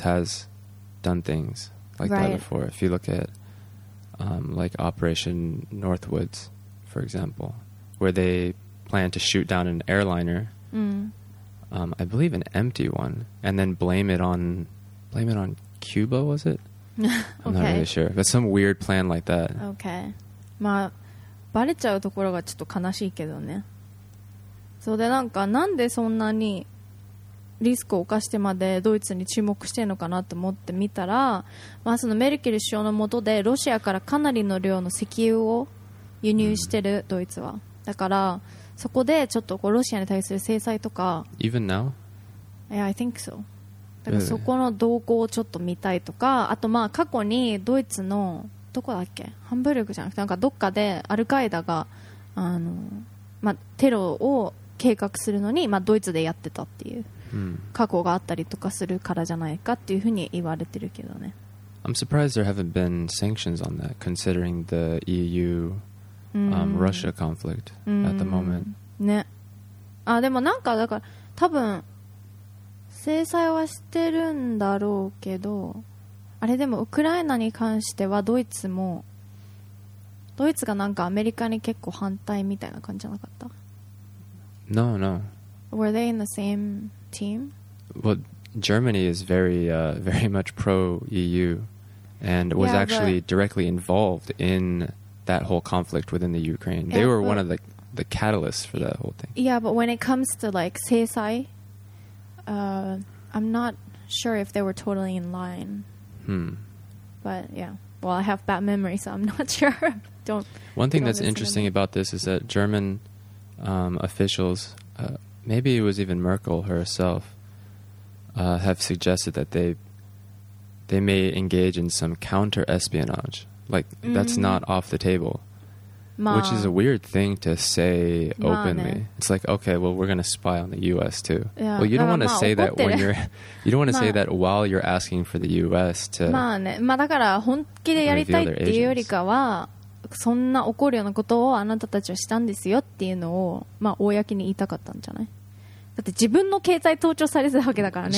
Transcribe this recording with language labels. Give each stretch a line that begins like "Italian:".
English: has done things like that before. If you look at like Operation Northwoods, for example, where they plan to shoot down an airliner, I believe an empty one, and then blame it on Cuba, was it? I'm okay. not really sure. But some weird plan like that. Okay.
Japanese: まあ、バレちゃうところがちょっと悲しいけどね。そうで、なんかなんでそんなにリスクを犯してまでドイツに注目してるのかなと思ってみたら、まあ、そのメルケル首相の下でロシアからかなりの量の石油を輸入してる、ドイツは。だからそこでちょっとこうロシアに対する制裁とか、
English: Even now? Yeah, I think so.
Japanese: だからそこの動向をちょっと見たいとか、あとまあ過去にドイツのどこだっけ、ハンブルクじゃなくてなんかどっかでアルカイダがあの、まあ、テロを計画するのに、まあ、ドイツでやってたっていう過去があったりとかするからじゃないかっていうふうに言われてるけどね。
English: I'm surprised there haven't been sanctions on that considering the EU、Russia conflict at the moment、
Japanese: ね、あでもなんかだから多分制裁はしてるんだろうけど、あれでもウクライナに関してはドイツも、ドイツがなんかアメリカに結構反対みたいな感じじゃなかった？
English: No, no. Were they in the same team? Well, Germany is very, very much pro-EU and was yeah, actually but... directly involved in that whole conflict within the Ukraine. They yeah, were but... one of the catalysts for that whole thing. Yeah, but when it comes to like 制裁, I'm not sure if they were totally in line. But yeah, well, I have bad memory, so I'm not sure. Don't. One thing that's interesting about this is that German officials, maybe it was even Merkel herself, have suggested that they may engage in some counter espionage. Like that's not off the table, which is a weird thing to say openly. It's like, okay, well, we're going to spy on the U.S. too. Yeah. Well, you don't want to say that when you're, you don't want to say that while you're asking for the U.S. to.
Japanese: だから本気でやりたいっていうよりかは。そんな怒るようなことをあなたたちはしたんですよっていうのを、まあ、公に言いたかったんじゃない。だって自分の経済盗聴されてたわけだからね、